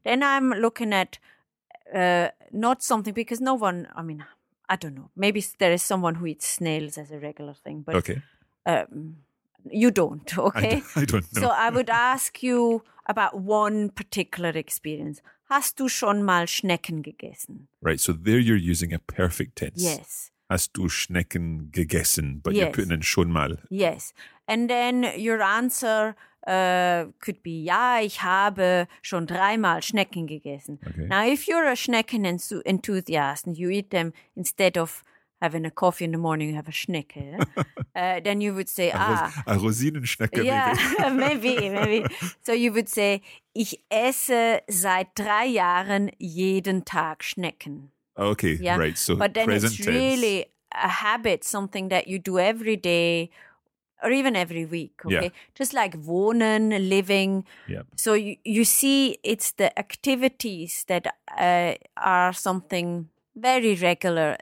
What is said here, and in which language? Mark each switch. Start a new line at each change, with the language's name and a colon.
English: Then I'm looking at not something, because no one, I mean, I don't know. Maybe there is someone who eats snails as a regular thing, but okay. You don't, okay? I don't know. So I would ask you about one particular experience.
German: Hast du schon mal Schnecken gegessen?
English: Right, so there you're using a perfect tense. Yes.
German: Hast du Schnecken gegessen?
English: But yes. You're putting in schon mal. Yes. And then your answer could be,
German: ja, ich habe schon dreimal Schnecken gegessen.
English: Okay. Now, if you're a Schnecken enthusiast and you eat them instead of having a coffee in the morning, you have a Schnecke, then you would say, a Rosinenschnecke. Yeah, maybe. So you would say,
German: ich esse seit 3 Jahren jeden Tag Schnecken.
English: Okay, yeah? Right. So but then present it's tense. Really a habit, something that you do every day, or even every week, okay? Yeah. Just like wohnen, living. Yep. So you see, it's the activities that are something very regular.